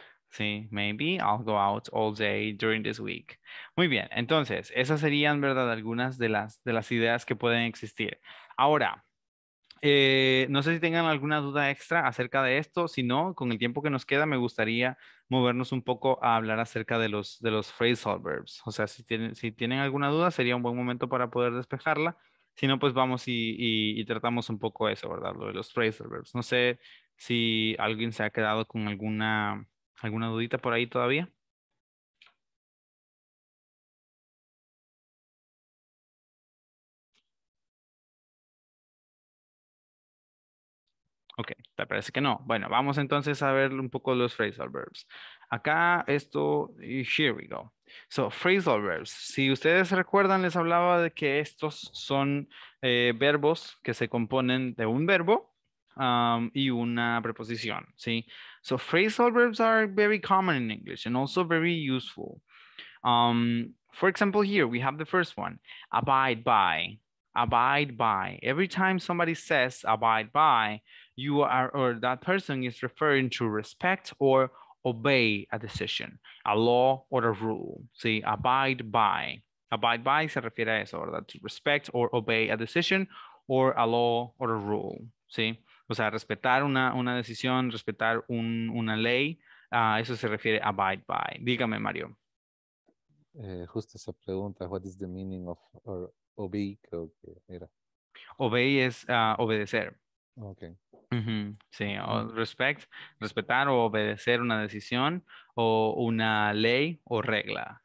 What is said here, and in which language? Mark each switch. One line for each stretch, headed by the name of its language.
English: See, maybe I'll go out all day during this week.
Spanish: Muy bien, entonces, esas serían, ¿verdad?, algunas de las ideas que pueden existir. Ahora, No sé si tengan alguna duda extra acerca de esto. Si no, con el tiempo que nos queda, me gustaría movernos un poco a hablar acerca de los phrasal verbs. O sea, si tienen alguna duda, sería un buen momento para poder despejarla. Si no, pues vamos y tratamos un poco eso, ¿verdad? Lo de los phrasal verbs. No sé si alguien se ha quedado con alguna dudita por ahí todavía. Ok, te parece que no. Bueno, vamos entonces a ver un poco los phrasal verbs. Acá esto,
English: here we go. So, phrasal verbs.
Spanish: Si ustedes recuerdan, les hablaba de que estos son verbos que se componen de un verbo y una preposición, ¿sí?
English: So, phrasal verbs are very common in English and also very useful. For example, here we have the first one, abide by. Abide by. Every time somebody says abide by, you are, or that person is referring to respect or obey a decision, a law or a rule.
Spanish: See, abide by. Abide by se refiere a eso, ¿verdad?
English: To respect or obey a decision or a law or a rule.
Spanish: See, o sea, respetar una decisión, respetar una ley, eso se refiere a abide by. Dígame, Mario. Justo esa pregunta,
English: what is the meaning of or obey?
Spanish: Creo que era. Obey es obedecer.
English: Okay. Mm-hmm.
Spanish: Sí, respetar o obedecer una decisión o una ley o regla.